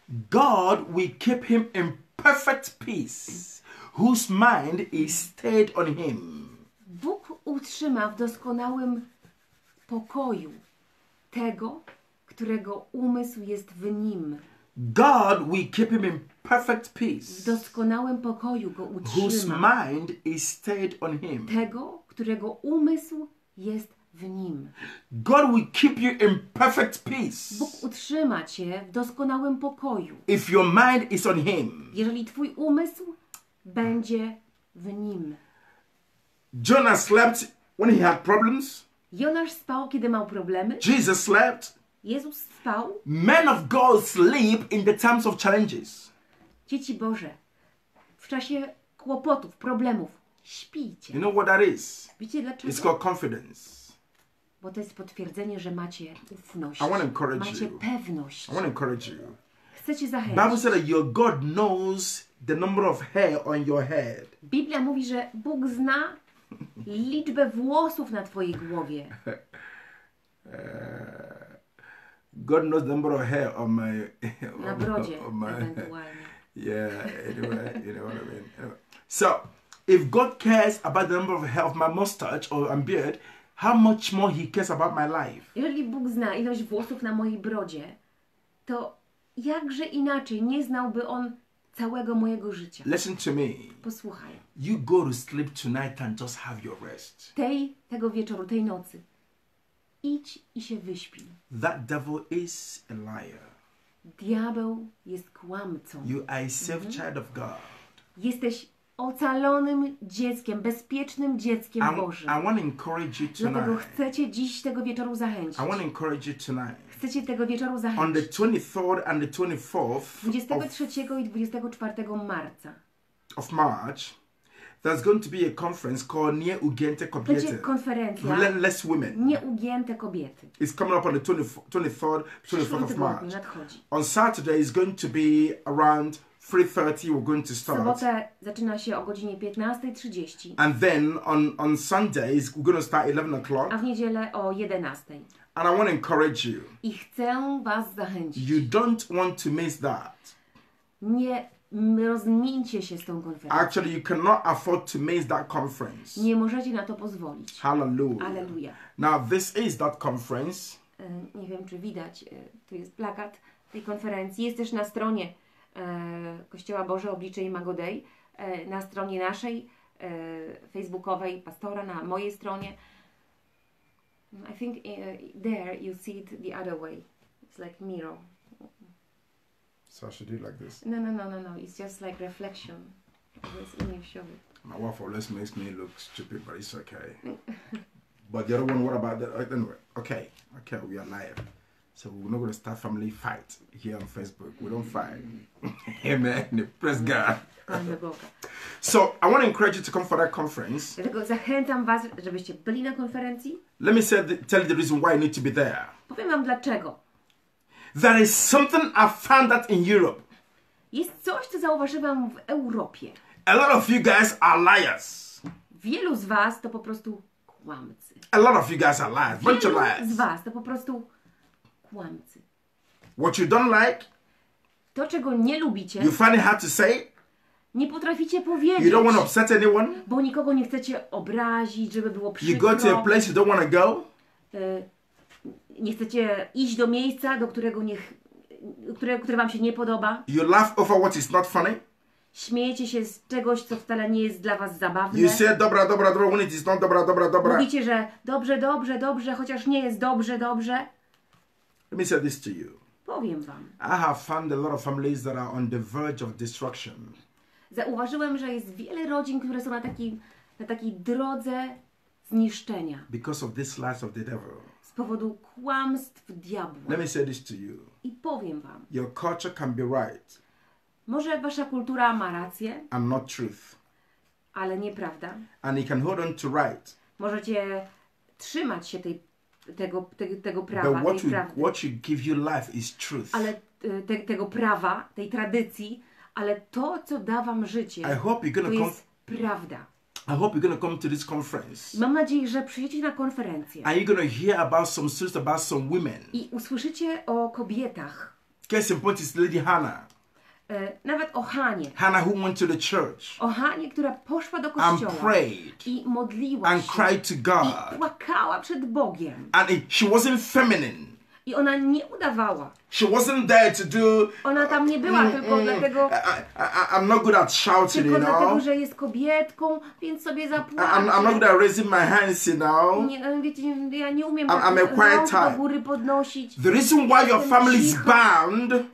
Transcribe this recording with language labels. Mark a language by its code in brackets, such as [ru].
[en] God will keep him in perfect peace, whose mind is stayed on him. [pl] Bóg utrzyma w doskonałym pokoju tego, którego umysł jest w nim. [en] God will keep him in perfect peace. [pl] W doskonałym pokoju go utrzyma. [en] Whose mind is stayed on him. [pl] Tego, którego umysł jest w nim. [en] God will keep you in perfect peace. [pl] Bóg utrzyma cię w doskonałym pokoju. [en] If your mind is on him. [pl] Jeżeli twój umysł będzie w nim. [en] Jonah slept when he had problems. [pl] Jonasz spał, kiedy miał problemy. [en] Jesus slept. [pl] Jezus spał. [en] Men of God sleep in the times of challenges. [pl] Dzieci Boże, w czasie kłopotów, problemów, śpijcie. [en] You know what that is? [pl] Wiecie dlaczego? [en] It's called confidence. [pl] Bo to jest potwierdzenie, że macie ufność. [en] I want to encourage [pl] macie [en] you. [pl] Pewność. [en] I want to encourage you. [pl] Chcę cię zachęcić. [en] Bible said that your God knows the number of hair on your head. [pl] Biblia mówi, że Bóg zna liczbę włosów na twojej głowie. [en] God knows the number of hair on my... [pl] Na brodzie, [en] on my, [pl] ewentualnie. [en] Yeah, anyway, you know what I mean. Anyway. So, if God cares about the number of hair of my mustache or my beard, how much more he cares about my life? [pl] Jeżeli Bóg zna ilość włosów na mojej brodzie, to jakże inaczej nie znałby on całego mojego życia? [en] Listen to me. [pl] Posłuchaj. [en] You go to sleep tonight and just have your rest. [pl] Tego wieczoru, tej nocy. Idź i się wyśpi. [en] That devil is a liar. [pl] Diabeł jest kłamcą. [en] You are a safe child of God. [pl] Jesteś ocalonym dzieckiem, bezpiecznym dzieckiem Bożym. [en] I want to encourage you tonight. [pl] Dlatego chcę cię dziś tego wieczoru zachęcić. [en] I want to encourage you tonight. [pl] Chcę cię tego wieczoru zachęcić. [en] On the 23rd and the 24th [pl] 23 i 24 marca. [en] Of March. There's going to be a conference called Nieugięte Kobiety. [pl] Będzie konferencja. [en] Relentless Women. [pl] Nieugięte kobiety. [en] It's coming up on the 23rd of March. [pl] Nadchodzi. [en] On Saturday it's going to be around 3:30 we're going to start. [pl] Sobota zaczyna się o godzinie 15:30. [en] And then on Sunday we're going to start 11 o'clock. [pl] A w niedzielę o 11. [en] And I want to encourage you. [pl] I chcę was zachęcić. [en] You don't want to miss that. [pl] Nie rozmińcie się z tą konferencją. [en] Actually, you cannot afford to miss that conference. [pl] Nie możecie na to pozwolić. [en] Hallelujah. [pl] Alleluja. [en] Now this is that conference. [pl] Nie wiem czy widać, tu jest plakat tej konferencji. Jest też na stronie Kościoła Boże Oblicze i Magodej, na stronie naszej facebookowej pastora, na mojej stronie. [en] I think there you see it the other way. It's like mirror. So I should do like this. No. It's just like reflection. It's in your show. My wife always makes me look stupid, but it's okay. But the other one, what about that? Anyway, okay, we are live. So we're not going to start family fight here on Facebook. We don't fight. Amen. Praise God. So I want to encourage you to come for that conference. [pl] Dlatego zachęcam was, żebyście byli na konferencji. [en] Let me say tell you the reason why you need to be there. [pl] Powiem wam dlaczego. [en] There is something I found out in Europe. [pl] Jest coś, co zauważyłam w Europie. [en] A lot of you guys are liars. [pl] Wielu z was to po prostu kłamcy. [en] A lot of you guys are liars. Bunch of liars. [pl] Wielu z was to po prostu kłamcy. [en] What you don't like? [pl] To, czego nie lubicie. [en] You find it hard to say? [pl] Nie potraficie powiedzieć. [en] You don't want to upset anyone? [pl] Bo nikogo nie chcecie obrazić, żeby było przykro. [en] You go to a place you don't want to go? [pl] Nie chcecie iść do miejsca, do którego które wam się nie podoba. [en] You laugh over what is not funny. [pl] Śmiejecie się z czegoś, co wcale nie jest dla was zabawne. [en] You say dobra, when it is not dobra. [pl] Mówicie, że dobrze, chociaż nie jest dobrze. [en] Let me say this to you. [pl] Powiem wam. [en] I have found a lot of families that are on the verge of destruction. [pl] Zauważyłem, że jest wiele rodzin, które są na takiej drodze zniszczenia. [en] Because of this lies of the devil. [pl] Z powodu kłamstw diabła. [en] Let me say this to you. [pl] I powiem wam. [en] Your culture can be right. [pl] Może wasza kultura ma rację. [en] And not truth. [pl] Ale nieprawda. [en] And you can hold on to right. [pl] Możecie trzymać się tego prawa, [en] but [pl] tej prawdy. [en] What you give you life is truth. [pl] Ale tego prawa, tej tradycji, ale to, co da wam życie, [en] I hope you're gonna [pl] to jest prawda. [en] I hope you're gonna come to this conference. [pl] Mam nadzieję, że przyjdziecie na konferencję. [en] And you're gonna hear about some sisters, about some women. [pl] I usłyszycie o kobietach. [en] Case in point is Lady Hannah. [pl] Nawet o Hanie. [en] Hannah who went to the church. [pl] O Hanie, która poszła do kościoła. [en] And prayed. [pl] I modliła [en] and [pl] się. [en] And cried to God. [pl] I płakała przed Bogiem. [en] And she wasn't feminine. [pl] I ona nie udawała. [en] She wasn't there to do. [pl] Ona tam nie była tylko dlatego. [en] I'm not good at shouting, [pl] tylko [en] you know. [pl] Dlatego, że jest kobietką, więc sobie zapłacze. [en] I'm not good at raising my hands, you know. [pl] Nie, ja nie umiem. [en] I'm a quiet type. [pl] Góry podnosić. [en] The reason why your family is bound.